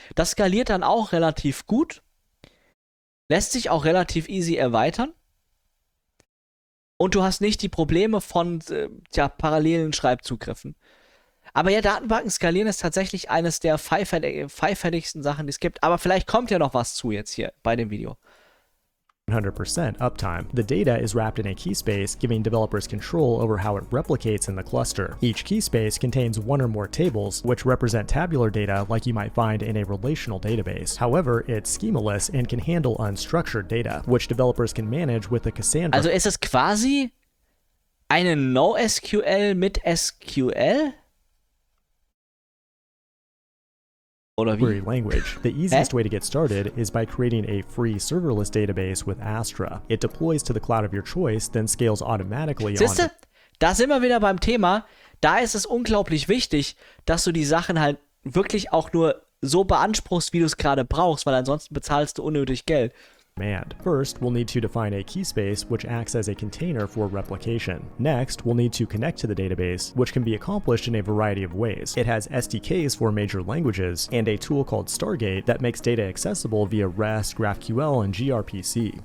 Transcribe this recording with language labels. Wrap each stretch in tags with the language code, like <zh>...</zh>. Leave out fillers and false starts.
<de>Das skaliert dann auch relativ gut, lässt sich auch relativ easy erweitern, und du hast nicht die Probleme von parallelen Schreibzugriffen. Aber ja, Datenbanken skalieren ist tatsächlich eines der feifälligsten Sachen, die es gibt. Aber vielleicht kommt ja noch was zu jetzt hier bei dem Video.</de> <en>100% uptime. The data is wrapped in a keyspace, giving developers control over how it replicates in the cluster. Each keyspace contains one or more tables, which represent tabular data like you might find in a relational database. However, it's schemaless and can handle unstructured data, which developers can manage with a Cassandra.</en> <de>Also ist es quasi eine NoSQL mit SQL?</de> <en>Query language. The easiest way to get started is by creating a free serverless database with Astra. It deploys to the cloud of your choice, then scales automatically.</en> <de>Siehste, da sind wir wieder beim Thema. Da ist es unglaublich wichtig, dass du die Sachen halt wirklich auch nur so beanspruchst, wie du es gerade brauchst, weil ansonsten bezahlst du unnötig Geld.</de> <en>Command. First, we'll need to define a keyspace, which acts as a container for replication. Next, we'll need to connect to the database, which can be accomplished in a variety of ways. It has SDKs for major languages and a tool called Stargate that makes data accessible via REST, GraphQL, and gRPC.</en>